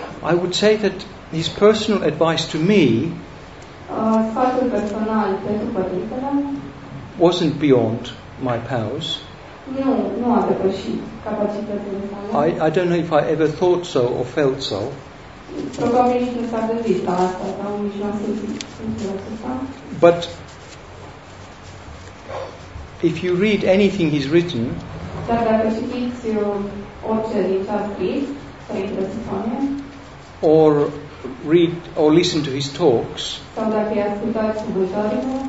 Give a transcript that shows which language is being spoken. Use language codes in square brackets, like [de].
[en] I would say that his personal advice to me [ro] sfatul personal pentru părintele [en] wasn't beyond my powers. [ro] Nu a depășit capacitățile mele. [en] I don't know if I ever thought so or felt so. [ro] Probabil nici nu s-a gândit la asta, sau nici nu a simțit asta. [en] But if you read anything he's written, [ro] dar dacă citiți orice din ce a scris, Părintele Sofronie, [en] or read or listen to his talks, [ro] sau dacă i-a ascultat subutorii,